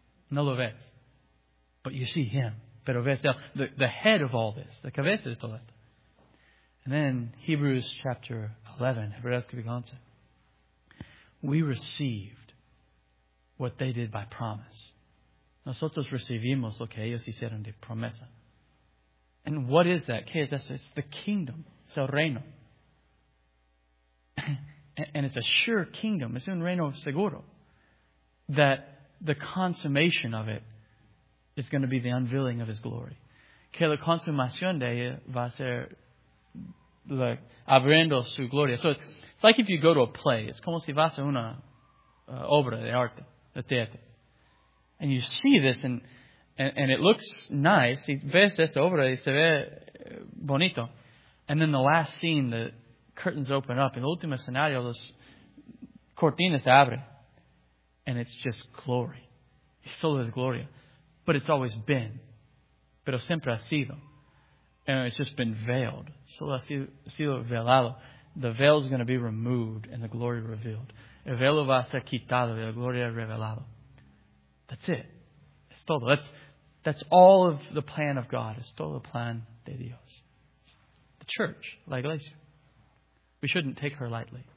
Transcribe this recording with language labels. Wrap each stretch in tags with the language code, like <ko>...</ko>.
<es>No lo ves.</es> <en>But you see him.</en> <es>Pero ves él,</es> <en>the head of all this, the</en> <es>cabeza de todo esto.</es> <en>And then Hebrews chapter 11,</en> <es>Hebreos capítulo 11.</es> <en>We received what they did by promise.</en> <es>Nosotros recibimos lo que ellos hicieron de promesa.</es> <en>And what is that?</en> <es>¿Qué es eso?</es> <en>It's the kingdom. It's</en> <es>el reino.</es> <en>And it's a sure kingdom.</en> <es>Es un reino seguro.</es> <en>That the consummation of it is going to be the unveiling of his glory.</en> <es>que la consumación de ella va a ser la, abriendo su gloria.</es> <en>So it's like if you go to a play.</en> <es>It's como si vas a una obra de arte, de teatro.</es> <en>And you see this and it looks nice.</en> <es>Y ves esta obra y se ve bonito.</es> <en>And then the last scene, the curtains open up.</en> <es>En el último escenario, las cortinas se abren.</es> <en>And it's just glory. It's</en> <es>solo es gloria.</es> <en>But it's always been.</en> <es>Pero siempre ha sido.</es> <en>And it's just been veiled.</en> <es>Solo ha sido velado.</es> <en>The veil is going to be removed and the glory revealed.</en> <es>El velo va a ser quitado y la gloria revelado.</es> <en>That's it.</en> <es>Es todo.</es> <en>That's all of the plan of God.</en> <es>Es todo el plan de Dios.</es> <en>The church,</en> <es>la iglesia.</es> <en>We shouldn't take her lightly.</en>